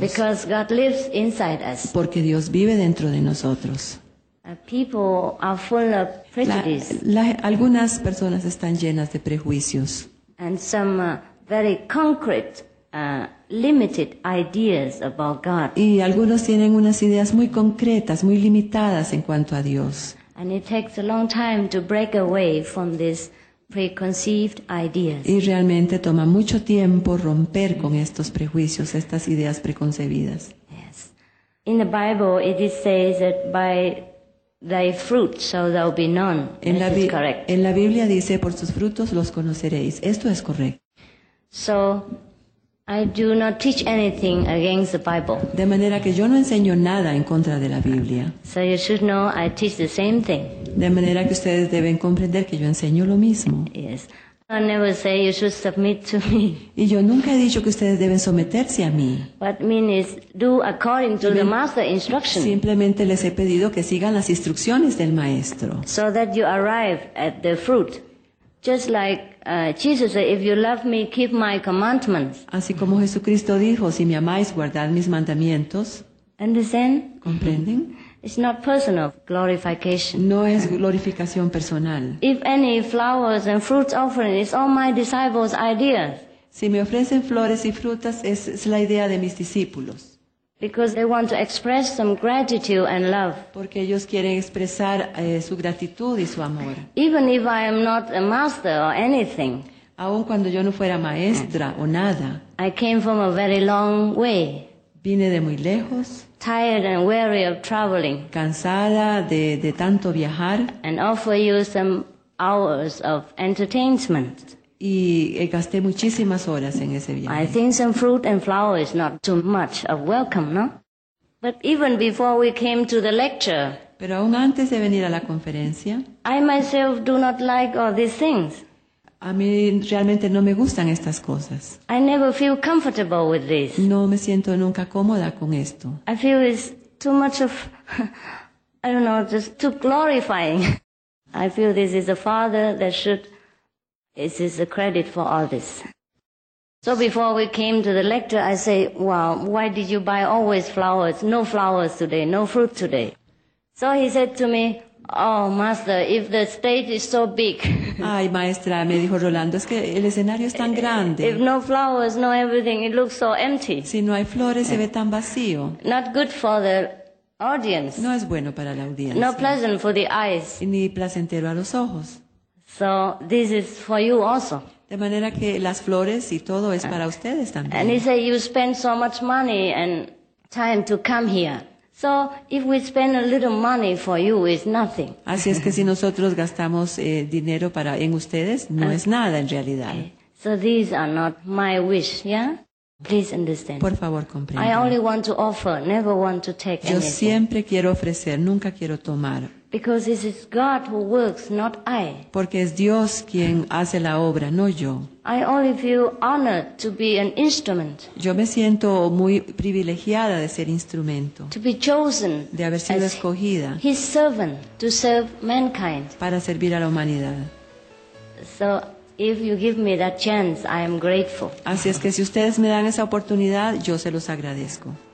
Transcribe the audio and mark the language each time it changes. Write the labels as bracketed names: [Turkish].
[English] Because God lives inside us. [Spanish] Porque Dios vive dentro de nosotros. [English] People are full of prejudices. [Spanish] Algunas personas están llenas de prejuicios. [English] And some very concrete, limited ideas about God. [Spanish] Y algunos tienen unas ideas muy concretas, muy limitadas en cuanto a Dios. [English] And it takes a long time to break away from this. Preconceived ideas. [Spanish] Y realmente toma mucho tiempo romper con estos prejuicios, estas ideas preconcebidas. [English] Yes. In the Bible it is says that by thy fruit shall thou be known. Correct. [Spanish] En la Biblia dice por sus frutos los conoceréis. Esto es correcto. [English] So I do not teach anything against the Bible. [Spanish] De manera que yo no enseño nada en contra de la Biblia. [English] So you should know I teach the same thing. [Spanish] De manera que ustedes deben comprender que yo enseño lo mismo. [English] Yes. I never say you should submit to me. [Spanish] Y yo nunca he dicho que ustedes deben someterse a mí. [English] What mean is do according to the master instruction. [Spanish] Simplemente les he pedido que sigan las instrucciones del maestro. [English] So that you arrive at the fruit. Just like Jesus said, if you love me, keep my commandments. [Spanish] Así como Jesucristo dijo, si me amáis, guardad mis mandamientos. [English] Understand? [Spanish] ¿Comprenden? [English] It's not personal glorification. [Spanish] No es glorificación personal. [English] If any flowers and fruits offering, it's all my disciples' ideas. [Spanish] Si me ofrecen flores y frutas, es la idea de mis discípulos. [English] Because they want to express some gratitude and love. [Spanish] Porque ellos quieren expresar su gratitud y su amor. [English] Even if I am not a master or anything. [Spanish] Aun cuando yo no fuera maestra o nada. [English] I came from a very long way. [Spanish] Vine de muy lejos. [English] Tired and weary of traveling. [Spanish] Cansada de tanto viajar. [English] And offer you some hours of entertainment. [Spanish] Y gasté muchísimas horas en ese viaje. [English] I think some fruit and flowers is not too much of welcome, no? But even before we came to the lecture. [Spanish] Pero aún antes de venir a la conferencia. [English] I myself do not like all these things. [Spanish] A mí realmente no me gustan estas cosas. [English] I never feel comfortable with this. [Spanish] No me siento nunca cómoda con esto. [English] I feel it's too much of, I don't know, just too glorifying. I feel this is a father that should, this is a credit for all this. So before we came to the lecture, I say, well, why did you buy always flowers? No flowers today, no fruit today. So he said to me, oh, master, if the stage is so big. [Spanish] Ay, maestra, me dijo Rolando, es que el escenario es tan grande. [English] If no flowers, no everything, it looks so empty. [Spanish] Si no hay flores, se ve tan vacío. [English] Not good for the audience. [Spanish] No es bueno para la audiencia. [English] Not pleasant for the eyes. [Spanish] Y ni placentero a los ojos. [English] So this is for you also. [Spanish] De manera que las flores y todo es para ustedes también. [English] And he said, you spend so much money and time to come here. So if we spend a little money for you, it's nothing. [Spanish] Así es que si nosotros gastamos dinero para en ustedes, no es nada en realidad. [English] Okay. So these are not my wish, yeah? Please understand. [Spanish] Por favor, comprenda. [English] I only want to offer, never want to take [Spanish] Yo [English] anything. [Spanish] Yo siempre quiero ofrecer, nunca quiero tomar. [English] Because it is God who works, not I. [Spanish] Porque es Dios quien hace la obra, no yo. [English] I only feel honored to be an instrument. [Spanish] Yo me siento muy privilegiada de ser instrumento. [English] To be chosen. [Spanish] De haber sido escogida. [English] His servant to serve mankind. [Spanish] Para servir a la humanidad. [English] So if you give me that chance, I am grateful. [Spanish] Así es que si ustedes me dan esa oportunidad, yo se los agradezco.